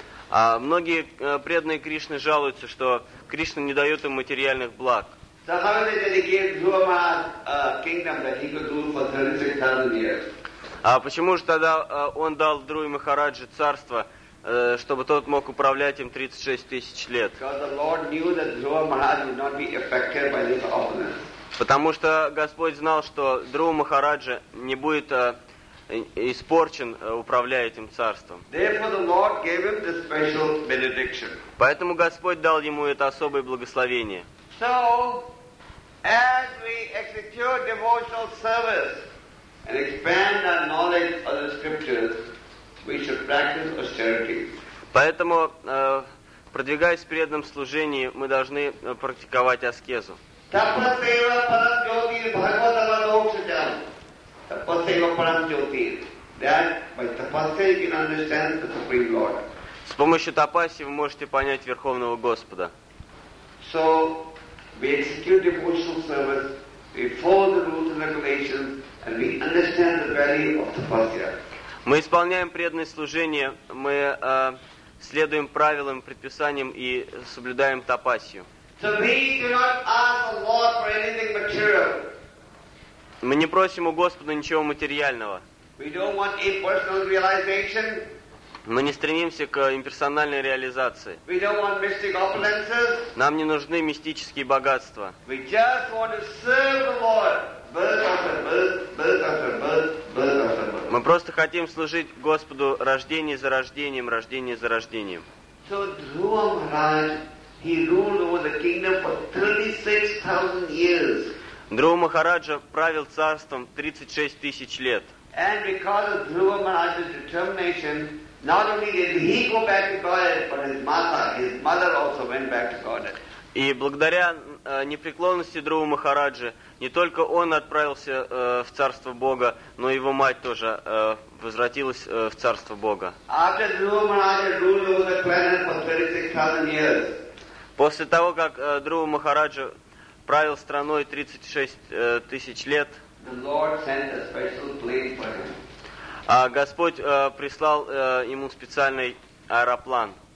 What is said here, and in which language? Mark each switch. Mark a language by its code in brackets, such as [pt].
[ru] Многие преданные Кришны жалуются, что Кришна не дает им материальных благ. [en] So how is it that he gave Dhruva Maharaj a kingdom that he could rule for 36,000 years? [ru] А почему же тогда он дал Друве Махараджи царство, чтобы тот мог управлять им 36 тысяч лет? [en] Because the Lord knew that Dhruva Maharaj would not be affected by his opponents. [ru] Потому что Господь знал, что Друва Махараджи не будет испорчен, управляя этим царством. [en] Therefore the Lord gave him this special benediction. [ru] Поэтому Господь дал ему это особое благословение. [en] So, as we execute devotional service and expand our knowledge of the scriptures, we should practice austerity. [ru] Поэтому, продвигаясь в преданном служении, мы должны практиковать аскезу. [sa] Tapaseva param jyoti bhagavata vadokshacham. Tapaseva param jyoti. [en] That by tapaseva you can understand the Supreme Lord. [ru] С помощью тапаси вы можете понять Верховного Господа. [en] So, we execute devotional service, we follow the rules and regulations, and we understand the value of tapasya. [ru] Мы исполняем преданное служение, мы следуем правилам, предписаниям и соблюдаем тапасию. [en] So we do not ask the Lord for anything material. [ru] Мы не просим у Господа ничего материального. [en] We don't want a personal realization. [ru] Мы не стремимся к имперсональной реализации. [en] We don't want mystic opulences. [ru] Нам не нужны мистические богатства. [en] We just want to serve the Lord. Birth after birth, birth after birth, birth after birth. [ru] Мы просто хотим служить Господу рождение за рождением, рождение за рождением. [en] So Dhruva Maharaj, he ruled over the kingdom for 36,000 years. [ru] Dhruva Maharaja правил царством 36 тысяч лет. [en] And because of Dhruva Maharaja's determination, not only did he go back to Godhead, but his mother also went back to Godhead. [ru] И благодаря непреклонности Друвы Махараджи, не только он отправился в царство Бога, но и его мать тоже возвратилась в царство Бога. [en] After Dhruva Maharaja ruled over the planet for 36,000 years. [ru] После того, как Друва Махараджа правил страной 36 тысяч лет, [en] the Lord sent a special plane for him. [ru] А Господь прислал ему специальный аэроплан.